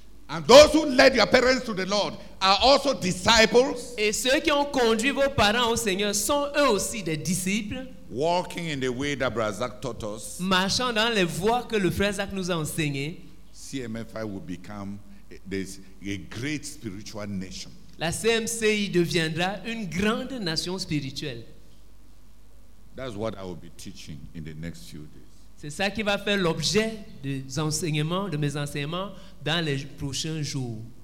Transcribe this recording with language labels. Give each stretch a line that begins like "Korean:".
English: and those who led your parents to the Lord are also disciples,
French: et ceux qui ont conduit vos parents au Seigneur sont eux aussi des disciples.
English: Walking in the way that Brazak taught us,
French: marchant dans les voies que le frère Zach nous a enseigné,
English: CMFI will become a great spiritual nation.
French: La CMCI deviendra une grande nation spirituelle.
English: That's what I will be teaching in the next few days.
French: C'est ça qui va faire l'objet des enseignements, de mes enseignements dans les prochains jours.